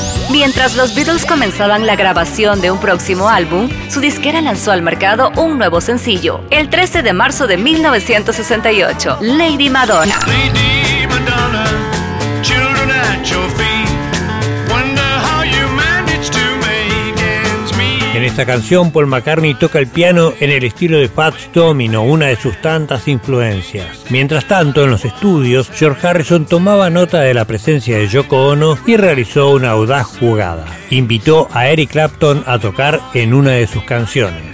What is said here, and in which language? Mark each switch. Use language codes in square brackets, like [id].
[es] Mientras los Beatles comenzaban la grabación de un próximo álbum, su disquera lanzó al mercado un nuevo sencillo, el 13 de marzo de 1968, Lady Madonna. [en] Lady Madonna, children at your feet. [es] En esta canción, Paul McCartney toca el piano en el estilo de Fats Domino, una de sus tantas influencias. Mientras tanto, en los estudios, George Harrison tomaba nota de la presencia de Yoko Ono y realizó una audaz jugada. Invitó a Eric Clapton a tocar en una de sus canciones.